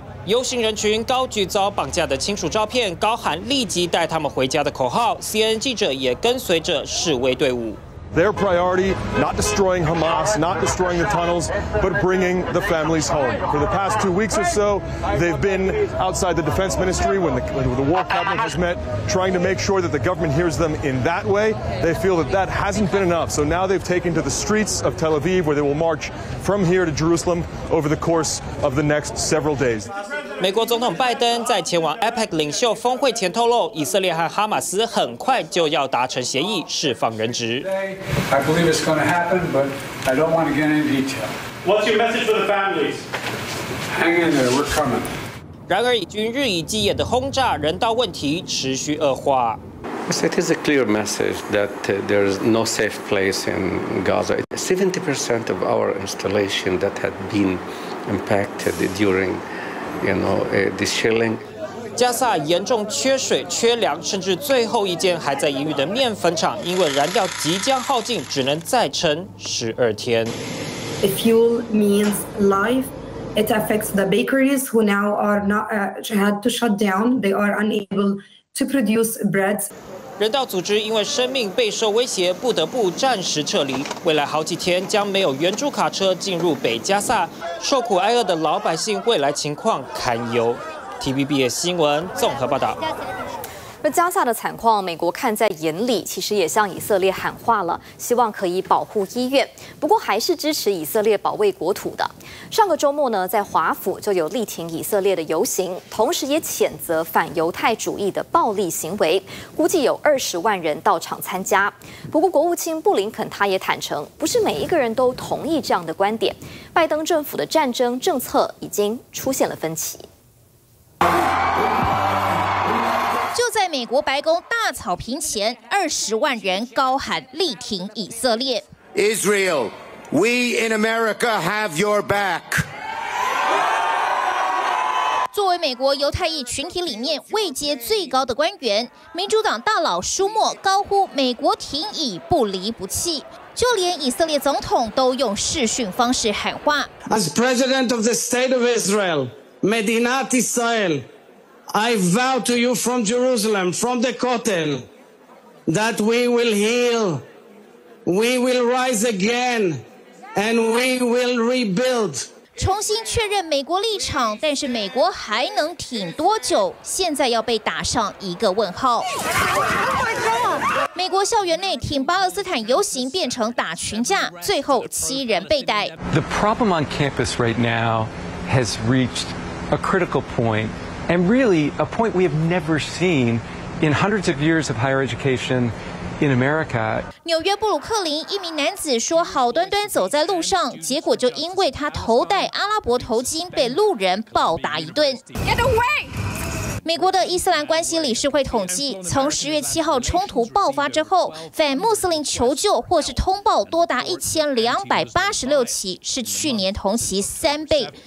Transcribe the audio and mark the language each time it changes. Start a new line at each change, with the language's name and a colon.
Chinese: 游行人群高举遭绑架的亲属照片，高喊立即带他们回家的口号。 CNN 记者也跟随着示威队伍。
English: Their priority, not destroying Hamas, not destroying the tunnels, but bringing the families home. For the past 2 weeks or so, they've been outside the defense ministry when the war cabinet has met, trying to make sure that the government hears them in that way. They feel that that hasn't been enough. So now they've taken to the streets of Tel Aviv, where they will march from here to Jerusalem over the course of the next several days.
Chinese: 美国总统拜登在前往 APEC 领袖峰会前透露，以色列和哈马斯很快就要达成协议，释放人质。
English: I believe it's going to happen, but I don't want to get into detail. What's your message for the families? Hang in there, we're coming.
Chinese: 然而，以军日以继夜的轰炸，人道问题持续恶化。
English: It is a clear message that there is no safe place in Gaza. 70% of our installation that had been impacted during, you know, the shelling.
Chinese: 加萨严重缺水、缺粮，甚至最后一间还在营运的面粉厂，因为燃料即将耗尽，只能再撑12天。
English: The fuel means life. It affects the bakeries who now are not had to shut down. They are unable to produce breads.
Chinese: 人道组织因为生命备受威胁，不得不暂时撤离。未来好几天将没有援助卡车进入北加萨，受苦挨饿的老百姓未来情况堪忧。 TVBS 新闻综合报道。而加萨的惨况，美国看在眼里，其实也向以色列喊话了，希望可以保护医院。不过还是支持以色列保卫国土的。上个周末呢，在华府就有力挺以色列的游行，同时也谴责反犹太主义的暴力行为，估计有20万人到场参加。不过国务卿布林肯他也坦承，不是每一个人都同意这样的观点。拜登政府的战争政策已经出现了分歧。就在美国白宫大草坪前，20万人高喊力挺以色列。
English: Israel, we in America have your back.
Chinese: 作为美国犹太裔群体里面位阶最高的官员，民主党大佬舒默高呼“美国挺以不离不弃”，就连以色列总统都用视讯方式喊话
English: ：“As president of the state of Israel, Medinat Israel.” I vow to you from Jerusalem, from the Kotel, that we will heal, we will rise again, and we will rebuild.
Chinese: 重新确认美国立场，但是美国还能挺多久？现在要被打上一个问号。美国校园内挺巴勒斯坦游行变成打群架，最后7人被逮。
English: The problem on campus right now has reached a critical point. And really, a point we have never seen in hundreds of years of higher education in America.
Chinese: 纽约布鲁克林一名男子说，好端端走在路上，结果就因为他头戴阿拉伯头巾被路人暴打一顿。
English: Get away!
Chinese: 美国的伊斯兰关系理事会统计，从10月7号冲突爆发之后，反穆斯林求救或是通报多达1286起，是去年同期3倍。